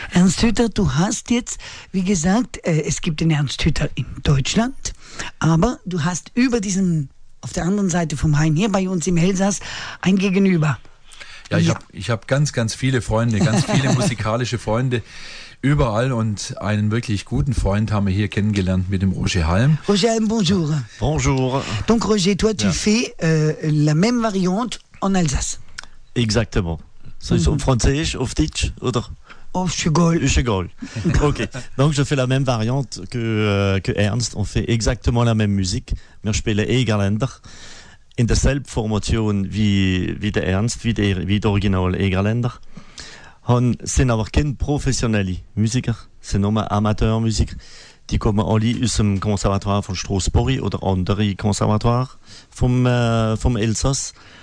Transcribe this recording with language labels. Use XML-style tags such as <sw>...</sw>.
<de>Ernst Hütter, du hast jetzt, wie gesagt, es gibt den Ernst Hütter in Deutschland, aber du hast über diesen, auf der anderen Seite vom Rhein, hier bei uns im Elsass, ein Gegenüber. Ja, ich hab ganz, ganz viele Freunde, ganz viele musikalische Freunde überall, und einen wirklich guten Freund haben wir hier kennengelernt mit dem Roger Halm.</de> <fr>Roger Halm, bonjour. Bonjour. Donc Roger, toi tu fais la même variante en Alsace. Exactement. C'est en français,</fr> <de>auf Deutsch, oder? Auf Chegol. Chegol. Ok.</de> <fr>Donc je fais la même variante que Ernst. On fait exactement la même musique.</fr> <de>Wir spielen Egerländer. In derselben Formation wie der Ernst, wie der Original Egerländer. Und sind aber keine professionellen Musiker, sind nur Amateurmusiker. Die kommen alle aus dem Konservatoire von Strasbourg oder anderen Konservatoire vom Elsass.</de>